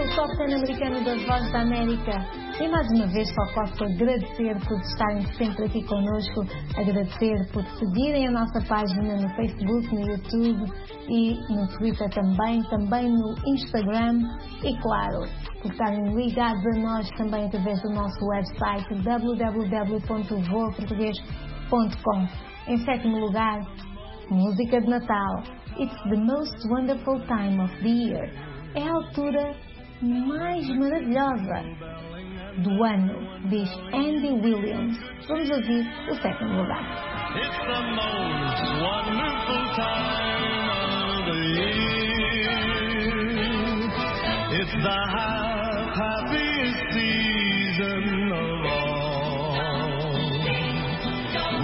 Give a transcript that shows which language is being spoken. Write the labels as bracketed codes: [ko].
[pt] E mais uma vez só posso agradecer por estarem sempre aqui connosco, agradecer por seguirem a nossa página no Facebook, no YouTube e no Twitter também, também no Instagram e claro, por estarem ligados a nós também através do nosso website www.voaportugues.com. Em 7º lugar, música de Natal. [en] It's the most wonderful time of the year. [pt] É a altura mais maravilhosa do ano, diz Andy Williams. Vamos ouvir o 2º lugar. [en] It's the most wonderful time of the year. It's the happiest season of all.